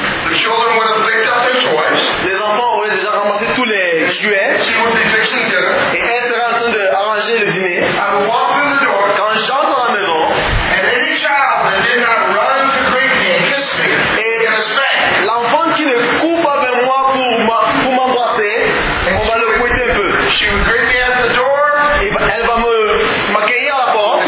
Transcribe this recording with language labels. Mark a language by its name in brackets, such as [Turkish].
[English] The children would have picked up their toys. [French] Les enfants auraient avait déjà ramassé tous les jouets. [English] She would be fixing dinner. [French] Et elle serait en train d'arranger le dîner. [English] I would walk through the door. [French] Quand j'entre dans la maison. [English] And any child that did not run to greet me and kiss me. [French] L'enfant qui ne court pas vers moi pour m'embrasser, on va le fouetter un peu. [English] She would greet me at the door. [French] Et elle va me m'accueillir à la porte.